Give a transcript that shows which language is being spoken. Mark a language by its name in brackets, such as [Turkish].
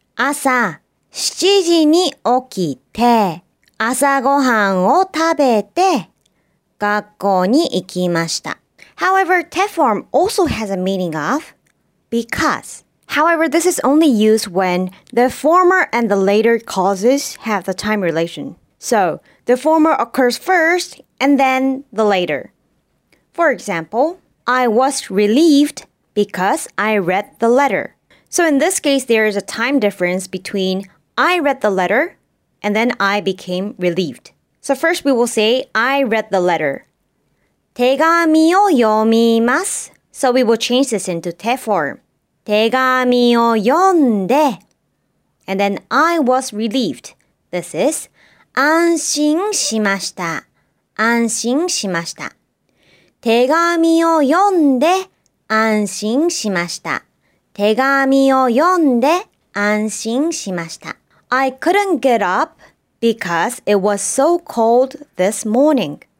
[Japanese] 朝7時に起きて朝ごはんを食べて学校に行きました。 [English] However, te form also has a meaning of because. However, this is only used when the former and the later causes have the time relation. So, the former occurs first and then the later. For example, I was relieved because I read the letter. So in this case, there is a time difference between I read the letter and then I became relieved. So first we will say, I read the letter. [Japanese] 手紙を読みます。 [English] So we will change this into te form. [Japanese] 手紙を読んで。 [English] And then I was relieved. This is [Japanese] 安心しました。安心しました。手紙を読んで安心しました。手紙を読んで安心しました。 [English] I couldn't get up because it was so cold this morning.